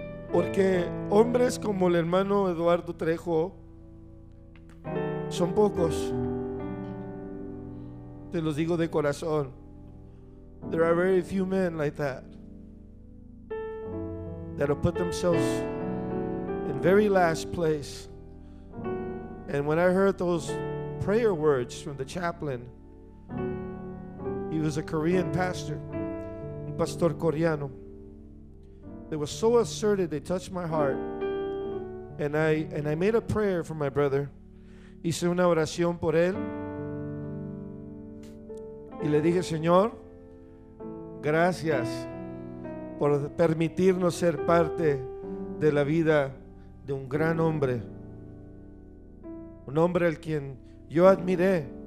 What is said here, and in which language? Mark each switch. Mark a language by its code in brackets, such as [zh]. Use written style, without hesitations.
[es] Porque hombres como el hermano Eduardo Trejo son pocos. Te los digo de corazón. [en] There are very few men like that, that will put themselves in very last place. And when I heard those prayer words from the chaplain, he was a Korean pastor, [es] un pastor coreano, [en] they were so assertive, they touched my heart. And I made a prayer for my brother. [es] Hice una oración por él. Y le dije, Señor, gracias por permitirnos ser parte de la vida de un gran hombre, un hombre al quien yo admiré.